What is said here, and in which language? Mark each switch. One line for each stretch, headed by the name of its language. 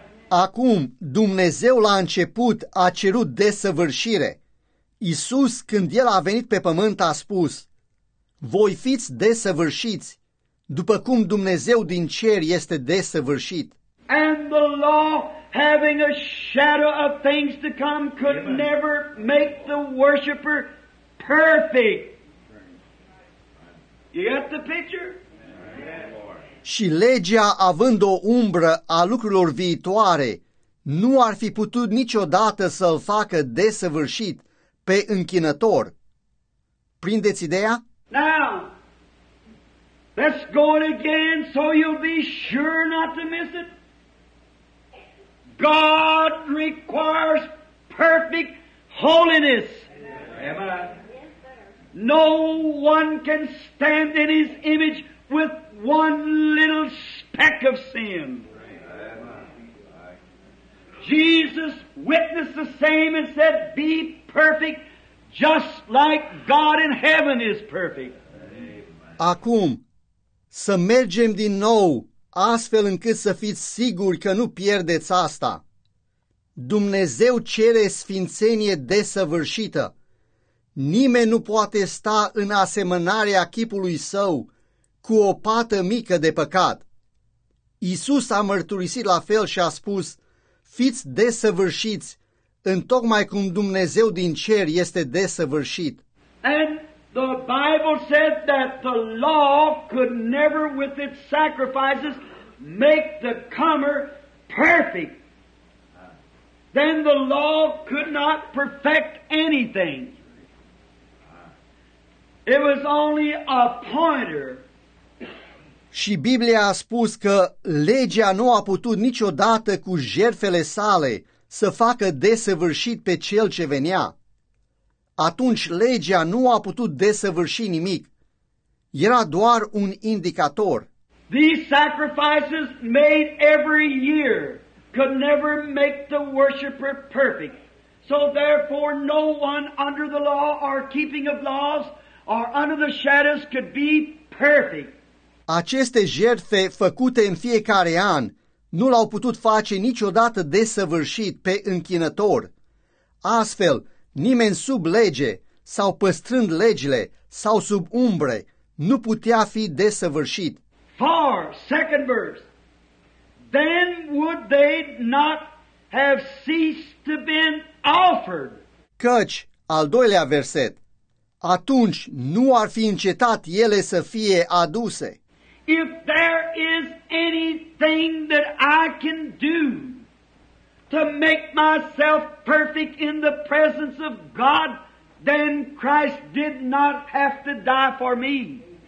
Romanian: Acum, Dumnezeu la început a cerut desăvârșire. Iisus, când El a venit pe pământ, a spus, voi fiți desăvârșiți, după cum Dumnezeu din cer este desăvârșit.
English: And the law, having a shadow of things to come, could Amen. Never make the worshiper perfect. You get the picture?
Romanian: Și legea, având o umbră a lucrurilor viitoare, nu ar fi putut niciodată să-l facă desăvârșit pe închinător. Prindeți ideea?
English: Now, let's go it again so you'll be sure not to miss it. God requires perfect holiness. Amen. No one can stand in his image with one little speck of sin. Jesus witnessed the same and said, be perfect just like God in heaven is perfect.
Romanian: Acum, să mergem din nou, astfel încât să fiți siguri că nu pierdeți asta. Dumnezeu cere sfințenie desăvârșită. Nimeni nu poate sta în asemănarea chipului său cu o pată mică de păcat. Iisus a mărturisit la fel și a spus, fiți desăvârșiți, întocmai cum Dumnezeu din cer este desăvârșit.
English: And the Bible said that the law could never with its sacrifices make the comer perfect. Then the law could not perfect anything. It was only a pointer.
Romanian: Și Biblia a spus că legea nu a putut niciodată cu jertfele sale să facă desăvârșit pe cel ce venea. Atunci legea nu a putut desăvârși nimic. Era doar un indicator.
English: These sacrifices made every year could never make the worshiper perfect. So therefore no one under the law or keeping of laws or under the shadows could be perfect.
Romanian: Aceste jertfe făcute în fiecare an nu l-au putut face niciodată desăvârșit pe închinător. Astfel, nimeni sub lege sau păstrând legile sau sub umbre nu putea fi desăvârșit.
English: For, second verse, then would they not have ceased to be offered.
Romanian: Căci, al doilea verset, atunci nu ar fi încetat ele să fie aduse.
English: If there is anything that I can do to make myself perfect in the presence of God, then Christ did not have to die for me.